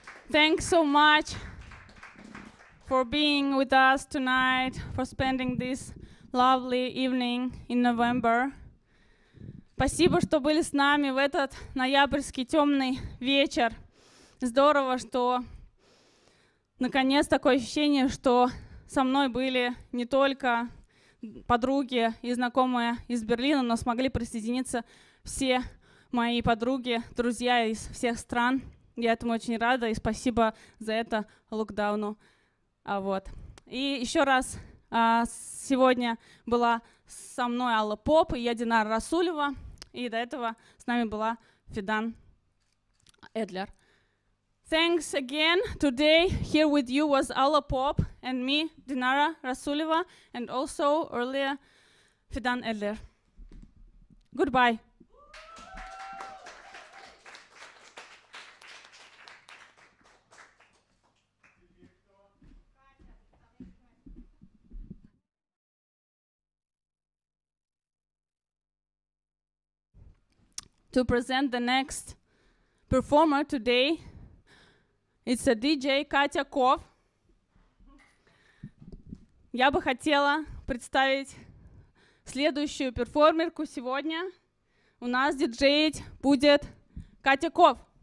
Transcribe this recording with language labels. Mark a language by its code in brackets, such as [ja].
[en] Thanks so much for being with us tonight, for spending this lovely evening in November. [ru] Спасибо, что были с нами в этот ноябрьский темный вечер. Здорово, что наконец такое ощущение, что со мной были не только подруги и знакомые из Берлина, но смогли присоединиться все мои подруги, друзья из всех стран. Я этому очень рада, и спасибо за это локдауну. Вот. И еще раз, сегодня была со мной Алла Поп, и я Динара Расулева, и до этого с нами была Фидан Эдлер. [en] Thanks again. Today here with you was Alla Pop and me, Dinara Rasulova, and also earlier Fidan Edler. Goodbye. To present the next performer today, it's a DJ Катя Ков. [ru] Я бы хотела представить следующую перформерку сегодня. У нас диджеить будет Катя Ков.